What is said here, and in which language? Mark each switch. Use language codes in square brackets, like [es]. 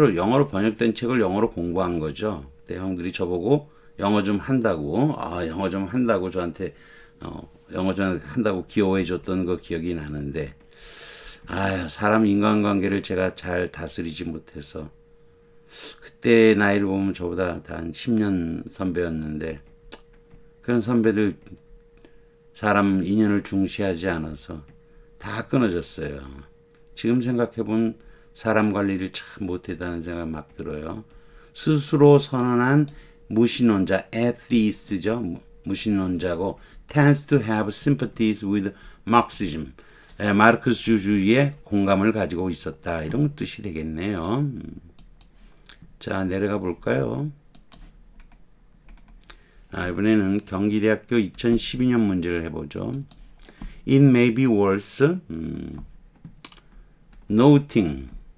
[ko] 영어로 번역된 책을 영어로 공부한 거죠. 그때 형들이 저보고 영어 좀 한다고, 영어 좀 한다고 저한테, 영어 좀 한다고 귀여워해 줬던 거 기억이 나는데, 아유, 사람 인간관계를 제가 잘 다스리지 못해서, 그때 나이를 보면 저보다 한 10년 선배였는데, 그런 선배들 사람 인연을 중시하지 않아서 다 끊어졌어요. 지금 생각해 본 사람 관리를 참 못했다는 생각이 막 들어요. 스스로 선언한 무신론자, atheist죠. 무신론자고, [en] tends to have sympathies with Marxism. [ko] 마르크스주의에 공감을 가지고 있었다. 이런 뜻이 되겠네요. 자, 내려가 볼까요? 이번에는 경기대학교 2012년 문제를 해보죠. [en] It may be worth noting.